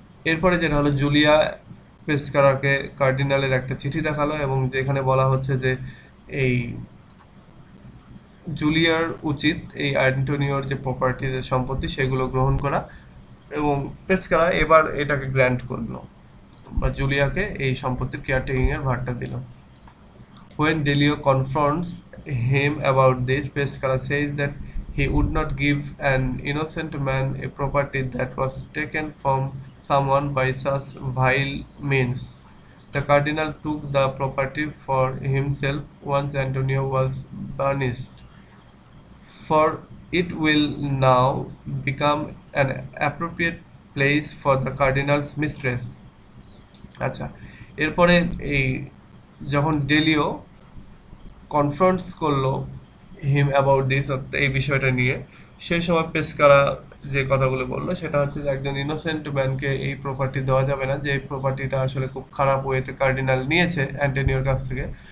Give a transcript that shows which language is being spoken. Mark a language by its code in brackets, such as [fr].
[bn] এরপরে যেটা হলো, জুলিয়া পেস্কারাকে কার্ডিনালের একটা চিঠি দেখালো এবং যেখানে বলা হচ্ছে যে এই জুলিয়ার উচিত এই অ্যান্টোনিওর যে প্রপার্টি যে সম্পত্তি সেগুলো গ্রহণ করা, এবং পেস্কারা এবার এটাকে গ্র্যান্ট করলো বা জুলিয়াকে এই সম্পত্তির কেয়ারটেকিংয়ের ভারটা দিল। [en] When Delio confronts him about this Pescara says that he would not give an innocent man a property that was taken from someone by such vile means. The cardinal took the property for himself once Antonio was banished, for it will now become an appropriate place for the cardinal's mistress. [bn] আচ্ছা, এরপরে এই যখন ডেলিও কনফ্রন্টস করলো [en] him about this, [bn] এই বিষয়টা নিয়ে, সেই সময় পেস্কারা যে কথাগুলো বললো সেটা হচ্ছে যে একজন ইনোসেন্ট ম্যানকে এই প্রপার্টি দেওয়া যাবে না, যে প্রপার্টিটা আসলে খুব খারাপ ওয়েতে কার্ডিনাল নিয়েছে অ্যান্টোনিওর কাছ থেকে।